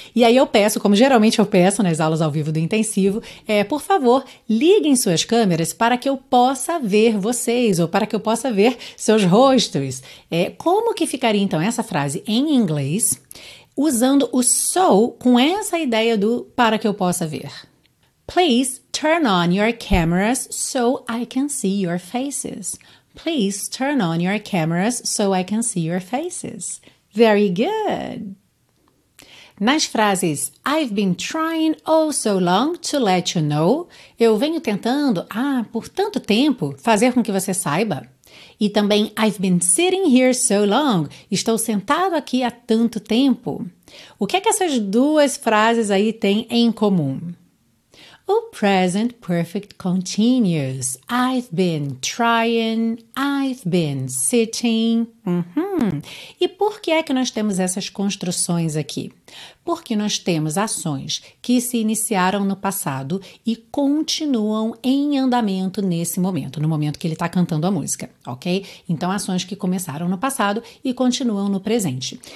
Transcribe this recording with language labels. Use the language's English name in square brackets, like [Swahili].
[Portuguese] E aí eu peço, como geralmente eu peço nas aulas ao vivo do Intensivo, por favor, liguem suas câmeras para que eu possa ver vocês ou para que eu possa ver seus rostos. Como que ficaria, então, essa frase em inglês usando o so com essa ideia do para que eu possa ver? [English] Please turn on your cameras so I can see your faces. Please turn on your cameras so I can see your faces. Very good. [Portuguese] Nas frases [English] I've been trying all so long to let you know, [Portuguese] eu venho tentando há por tanto tempo fazer com que você saiba. E também [English] I've been sitting here so long, [Portuguese] estou sentado aqui há tanto tempo. O que é que essas duas frases aí têm em comum? [English] O present perfect continuous. I've been trying, I've been sitting. [Portuguese] E por que é que nós temos essas construções aqui? Porque nós temos ações que se iniciaram no passado e continuam em andamento nesse momento, no momento que ele está cantando a música, ok? Então, ações que começaram no passado e continuam no presente.